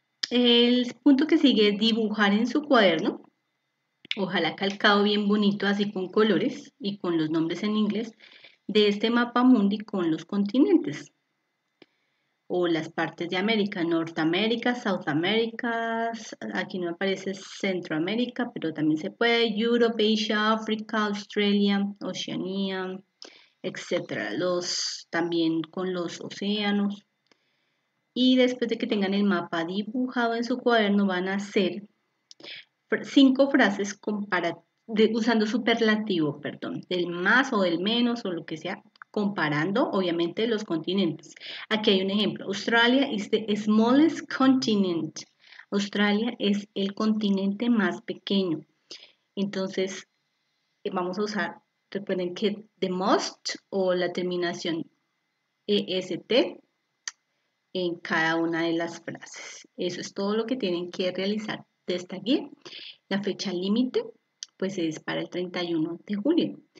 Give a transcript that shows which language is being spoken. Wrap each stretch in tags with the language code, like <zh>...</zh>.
<es>El punto que sigue es dibujar en su cuaderno, ojalá calcado bien bonito, así con colores y con los nombres en inglés, de este mapa mundi con los continentes o las partes de América, Norteamérica, Sudamérica, aquí no aparece Centroamérica, pero también se puede, Europa, Asia, África, Australia, Oceanía, etcétera, también con los océanos. Y después de que tengan el mapa dibujado en su cuaderno, van a hacer cinco frases usando superlativo, perdón, del más o del menos o lo que sea, comparando obviamente los continentes. Aquí hay un ejemplo.</es> <en>Australia is the smallest continent.</en> <es>Australia es el continente más pequeño. Entonces, vamos a usar, recuerden que the most o la terminación EST en cada una de las frases. Eso es todo lo que tienen que realizar de esta guía. La fecha límite, pues es para el 31 de julio.</es>